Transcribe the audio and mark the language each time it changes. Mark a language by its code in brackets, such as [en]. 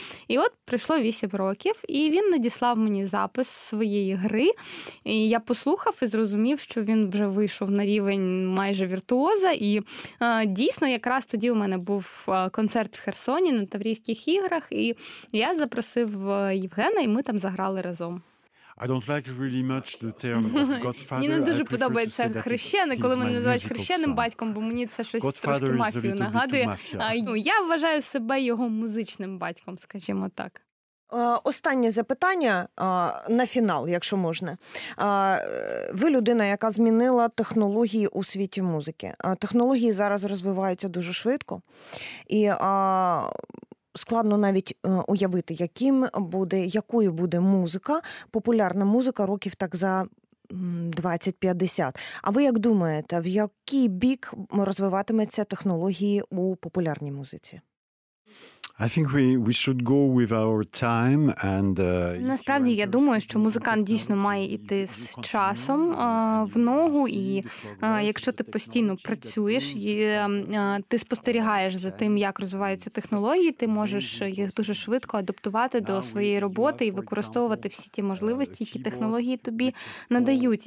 [uk] І от пройшло 8 років, і він надіслав мені запис своєї гри. І я послухав і зрозумів, що він вже вийшов на рівень майже віртуоза. І дійсно, якраз тоді у мене був концерт в Херсоні на Таврійських іграх, і я запросив Євгена, і ми там заграли разом. [en] I don't like really much the term of godfather. [uk] Мені не дуже подобається хрещений, коли мене називають хрещеним батьком, бо мені це щось трошки мафію нагадує. Я вважаю себе його музичним батьком, скажімо так. Останнє запитання на фінал, якщо можна. Ви людина, яка змінила технології у світі музики. Технології зараз розвиваються дуже швидко. І складно навіть уявити, якою буде музика, популярна музика років так за 20-50. А ви як думаєте, в який бік розвиватиметься технології у популярній музиці? [en] I think we should go with our time and [uk] насправді я думаю, що музикант дійсно має іти з часом в ногу, і якщо ти постійно працюєш, ти спостерігаєш за тим, як розвиваються технології, ти можеш їх дуже швидко адаптувати до своєї роботи і використовувати всі ті можливості, які технології тобі надають.